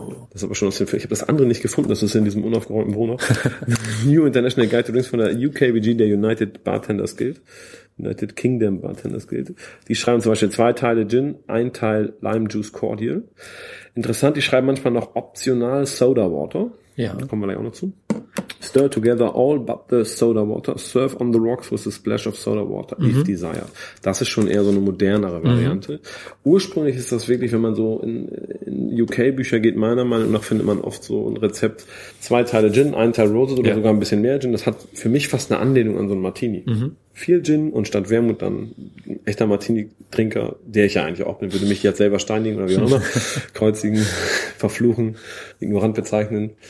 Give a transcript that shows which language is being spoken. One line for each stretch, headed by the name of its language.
German: Das ist aber schon aus dem, ich habe das andere nicht gefunden, das ist in diesem unaufgeräumten Wohnraum. New International Guide to Drinks von der UKBG, der United Bartenders Guild. United Kingdom Bartenders Guild. Die schreiben zum Beispiel 2 Teile Gin, 1 Teil Lime Juice Cordial. Interessant, die schreiben manchmal noch optional Soda Water. Ja. Da kommen wir gleich auch noch zu.
English: Stir together all but the soda water. Serve on the rocks with a splash of soda water, if desired.
German: Das ist schon eher so eine modernere Variante. Ursprünglich ist das wirklich, wenn man so in UK-Bücher geht, meiner Meinung nach findet man oft so ein Rezept. 2 Teile Gin, 1 Teil Roses oder sogar ein bisschen mehr Gin. Das hat für mich fast eine Anlehnung an so einen Martini. Viel Gin und statt Wermut dann ein echter Martini-Trinker, der ich ja eigentlich auch bin, würde mich jetzt selber steinigen oder wie auch immer, kreuzigen, verfluchen, ignorant bezeichnen.